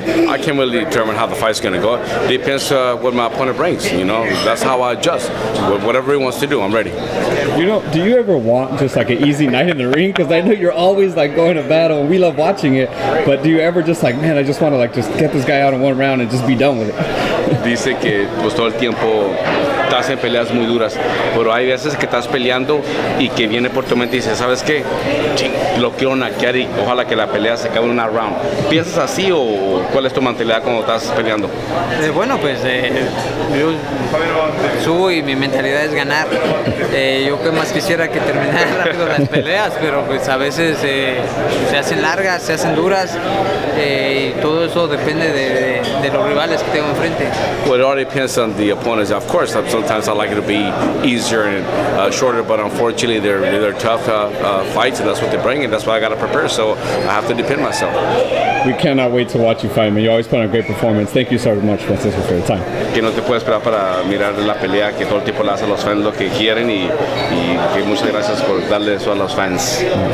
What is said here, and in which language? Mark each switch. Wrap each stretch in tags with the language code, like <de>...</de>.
<en>I can't really determine how the fight's going to go. Depends what my opponent brings, you know, that's how I adjust. Whatever he wants to do, I'm ready. You know, do you ever want just like an easy night in the ring? Because I know you're always like going to battle and we love watching it. But do you ever just like, man, I just want to like just get this guy out in one round and just be done with it?</en> <es>Dice que pues todo el tiempo estás en peleas muy duras, pero hay veces que estás peleando y que viene por tu mente y dices, ¿sabes qué? Lo quiero naquear y ojalá que la pelea se acabe en una round. ¿Piensas así o cuál es tu mentalidad cuando estás peleando? Yo subo y mi mentalidad es ganar. Yo que más quisiera que terminara rápido las peleas, pero pues a veces se hacen largas, se hacen duras y todo eso depende de los rivales que tengo enfrente.</es> <en>Well, it all depends on the opponents. Of course, sometimes I like it to be easier and shorter, but unfortunately, they're tough fights, and that's what they bring, and that's why I got to prepare, so I have to defend myself. We cannot wait to watch you fight, man. You always put on a great performance. Thank you so much, Francisco, for your time.</en> <es>Que no te puedo esperar para mirar la pelea, que todo el tiempo la hacen los fans lo que quieren, y que muchas gracias por darle eso a los fans.</es>